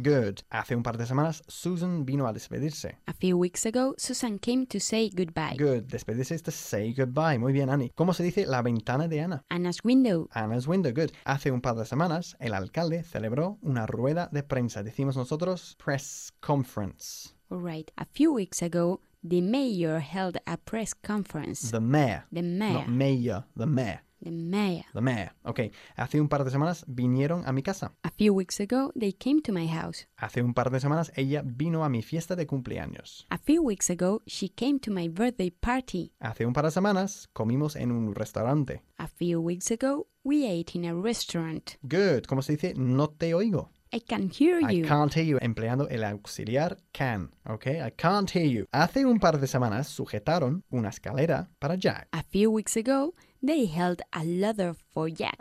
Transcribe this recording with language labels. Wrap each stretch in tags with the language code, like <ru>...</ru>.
<en>Good.</en> <es>Hace un par de semanas, Susan vino a despedirse.</es> <en>A few weeks ago, Susan came to say goodbye. Good. Despedirse is to say goodbye.</en> <es>Muy bien, Annie. ¿Cómo se dice la ventana de Ana?</es> <en>Anna's window. Anna's window. Good.</en> <es>Hace un par de semanas, el alcalde celebró una rueda de prensa. Decimos nosotros,</es> <en>press conference. All right. A few weeks ago, the mayor held a press conference. The mayor. The mayor. Not mayor. The mayor. The mayor. The mayor. Okay.</en> <es>Hace un par de semanas vinieron a mi casa.</es> <en>A few weeks ago, they came to my house.</en> <es>Hace un par de semanas, ella vino a mi fiesta de cumpleaños.</es> <en>A few weeks ago, she came to my birthday party.</en> <es>Hace un par de semanas, comimos en un restaurante.</es> <en>A few weeks ago, we ate in a restaurant.</en> <es>Good. ¿Cómo se dice? No te oigo.</es> <en>I can hear you. I can't hear you.</en> <es>Empleando el auxiliar can.</es> <en>Okay, I can't hear you.</en> <es>Hace un par de semanas sujetaron una escalera para Jack.</es> <en>A few weeks ago, they held a ladder for Jack.</en>